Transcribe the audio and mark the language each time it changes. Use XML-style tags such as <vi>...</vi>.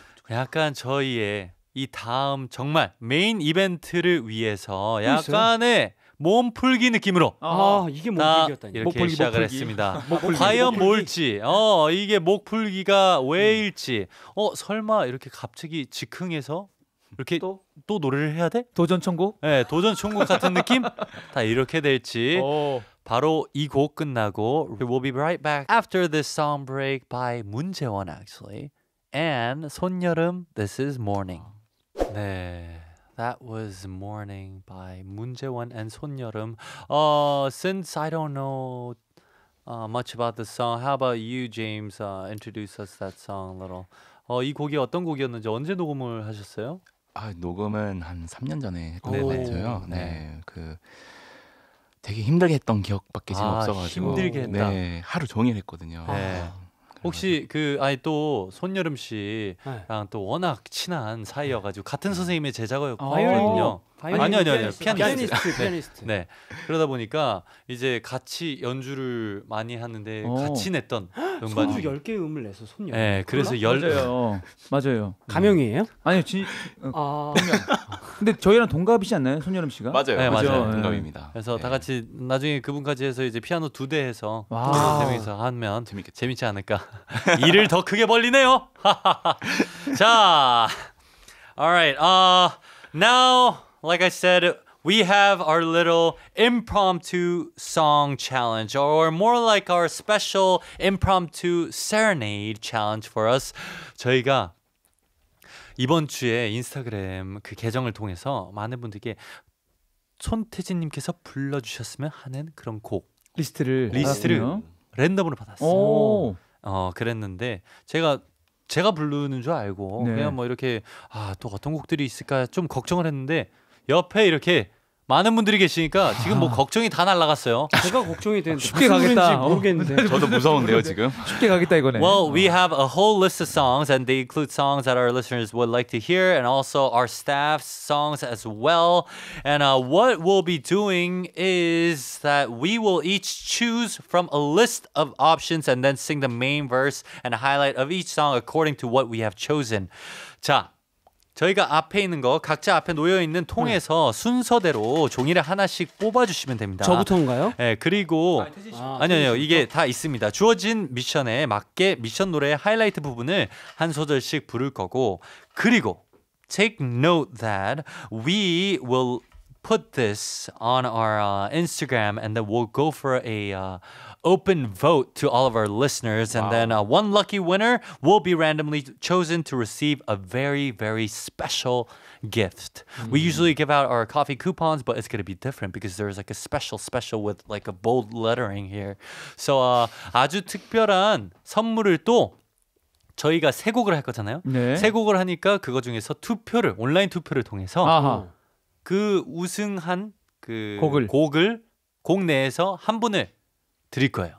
<ko>약간 저희의 이 다음 정말 메인 이벤트를 위해서 약간의 몸풀기 느낌으로 아, 이게 몸풀기였다니. 이렇게 목풀기, 시작을 목풀기. 했습니다. 목풀기, 과연 목풀기. 뭘지 이게 목풀기가 왜일지 설마 이렇게 갑자기 즉흥해서 이렇게 또 노래를 해야 돼? 도전 천국? 네, 도전 천국 같은 느낌? 다 이렇게 될지 오. 바로 이 곡 끝나고</ko> <en>We'll be right back after this song break by 문재원 actually and 손여름 This is Morning 네, That was Morning by 문재원 and 손여름 Since I don't know much about the song How about you, James? Introduce us that song a little</en> <ko>이 곡이 어떤 곡이었는지 언제 녹음을 하셨어요? 아, 녹음은 한 3년 전에 했고요. 네. 그 되게 힘들게 했던 기억밖에 지금 없어 가지고. 힘들게 했다. 네. 하루 종일 했거든요. 네. 혹시 그 아니 또 손여름 씨랑 네. 또 워낙 친한 사이여 가지고 같은 선생님의 제자거든요. 아니요. 피아니스트. 네. 그러다 보니까 이제 같이 연주를 많이 하는데 같이 냈던 음반 손주 10개의 음을 내서 손녀. 네, 그래서 열 맞아요. 맞아요. 가명이에요? 아니요, 진. 아. 근데 저희랑 동갑이지 않나요, 손여름 씨가? 맞아요, 네, 맞아요. 맞아요. 동갑입니다. 그래서 네. 다 같이 나중에 그분까지 해서 이제 피아노 두 대 해서 재미있어 하면 재밌지 않을까. 일을 더 크게 벌리네요. 자, alright.</ko> <en>Now, like I said. We have our little impromptu song challenge, or more like our special impromptu serenade challenge for us.</en> <ko>저희가 이번 주에 인스타그램 그 계정을 통해서 많은 분들께 손태진님께서 불러주셨으면 하는 그런 곡 리스트를 랜덤으로 받았어요. 그랬는데 제가 부르는 줄 알고 네. 그냥 뭐 이렇게 아, 또 어떤 곡들이 있을까 좀 걱정을 했는데 옆에 이렇게 많은 분들이 계시니까 지금 뭐 걱정이 다 날아갔어요. 제가 걱정이 되는데 쉽게 가겠다. 모르겠는데. 저도 무서운데요, 지금. 쉽게 가겠다 이거네.</ko> <en>Well, we have a whole list of songs and they include songs that our listeners would like to hear and also our staff's songs as well. And what we'll be doing is that we will each choose from a list of options and then sing the main verse and highlight of each song according to what we have chosen.</en> <ko>자, 저희가 앞에 있는 거 각자 앞에 놓여 있는 통에서 순서대로 종이를 하나씩 뽑아 주시면 됩니다. 저부터인가요? 네, 그리고 아니요. 이게 다 있습니다. 주어진 미션에 맞게 미션 노래의 하이라이트 부분을 한 소절씩 부를 거고 그리고</ko> <en>take note that we will put this on our Instagram and then we'll go for a open vote to all of our listeners and then one lucky winner will be randomly chosen to receive a very very special gift. We usually give out our coffee coupons but it's going to be different because there's like a special with like a bold lettering here.</en> <ko>So 아주 특별한 선물을 또 저희가 세 곡을 할 거잖아요. 네. 세 곡을 하니까 그거 중에서 투표를 온라인 투표를 통해서 그 우승한 그 곡을 곡 내에서 한 분을 드릴 거예요.</ko>